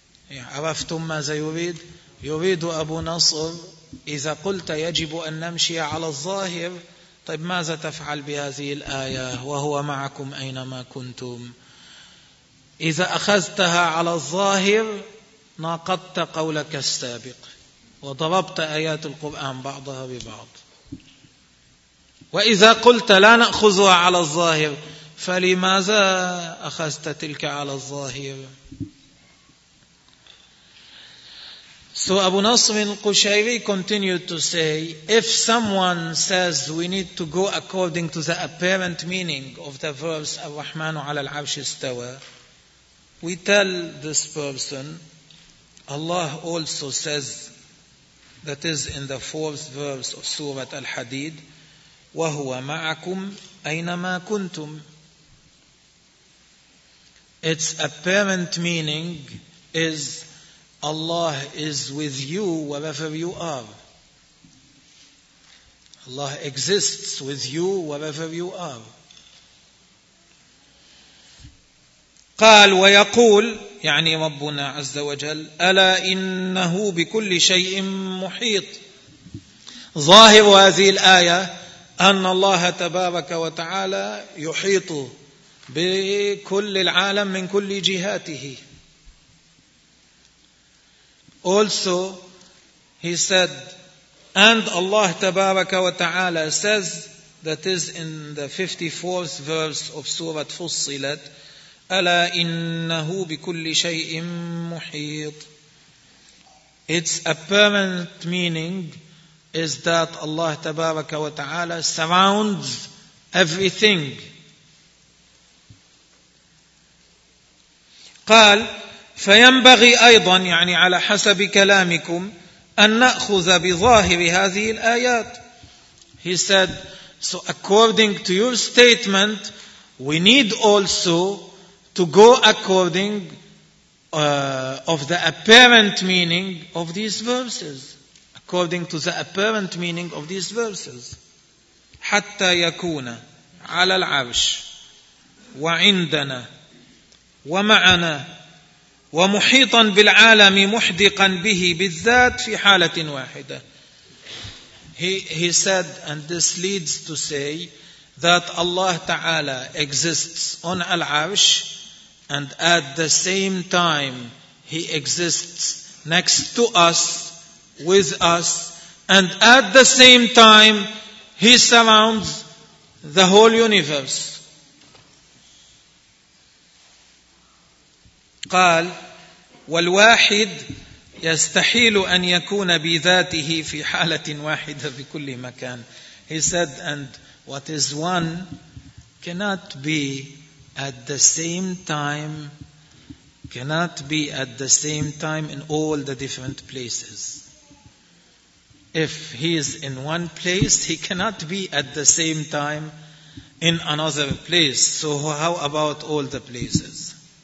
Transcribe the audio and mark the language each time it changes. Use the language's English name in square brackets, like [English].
[Arabic] عرفتم ماذا يريد؟ يريد أبو نصر إذا قلت يجب أن نمشي على الظاهر، طيب ماذا تفعل بهذه الآية وهو معكم أينما كنتم؟ إذا أخذتها على الظاهر ناقضت قولك السابق وضربت آيات القرآن بعضها ببعض. وإذا قلت لا نأخذها على الظاهر فلماذا أخذت تلك على الظاهر؟ [English] So Abu Nasr al-Qushayri continued to say, if someone says we need to go according to the apparent meaning of the verse [Arabic] Ar-Rahmanu ala al-Arshi istawa, [English] we tell this person, Allah also says, that is in the fourth verse of Surah Al-Hadid, [Arabic] وَهُوَ مَعَكُمْ أَيْنَمَا كُنْتُمْ. [English] Its apparent meaning is Allah is with you wherever you are. Allah exists with you wherever you are. [Arabic] قال ويقول يعني ربنا عز وجل ألا إنه بكل شيء محيط. ظاهر هذه الآية أن الله تبارك وتعالى يحيط بكل العالم من كل جهاته. [English] Also, he said, and Allah tabaraka wa ta'ala says, that is in the 54th verse of Surah Fussilat, [Arabic] أَلَا إِنَّهُ بِكُلِّ شَيْءٍ مُحِيطٍ. [English] Its apparent meaning is that Allah tabaraka wa ta'ala surrounds everything. [Arabic] قال فينبغي أيضا يعني على حسب كلامكم أن نأخذ بظاهر هذه الآيات. [English] He said, so according to your statement, we need also to go according of the apparent meaning of these verses, according to the apparent meaning of these verses. [Arabic] حتى يكون على العرش وعندنا ومعنا ومحيطا بالعالم محدقا به بالذات في حالة واحدة. [English] He said, and this leads to say that Allah Ta'ala exists on Al-Arsh, and at the same time He exists next to us, with us, and at the same time He surrounds the whole universe. [Arabic] قال والواحد يستحيل أن يكون بذاته في حالة واحدة بكل مكان. [English] He said, and what is one cannot be at the same time, cannot be at the same time in all the different places. If he is in one place, he cannot be at the same time in another place. So how about all the places?